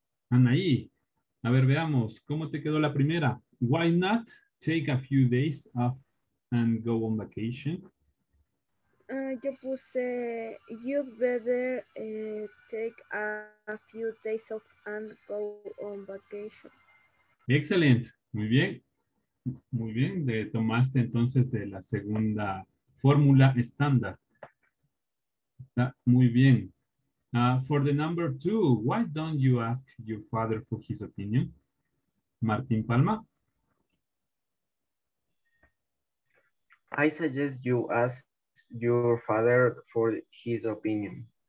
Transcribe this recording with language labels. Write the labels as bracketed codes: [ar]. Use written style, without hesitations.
[es] Anaí, a ver, veamos, ¿cómo te quedó la primera? [en] Why not take a few days off and go on vacation? [es] Yo puse, [en] you'd better take a few days off and go on vacation. [es] Excelente, muy bien. Muy bien, te tomaste entonces de la segunda fórmula estándar. Está muy bien. [en] For the number two, why don't you ask your father for his opinion? [es] Martín Palma. [en] I suggest you ask your father for his opinion.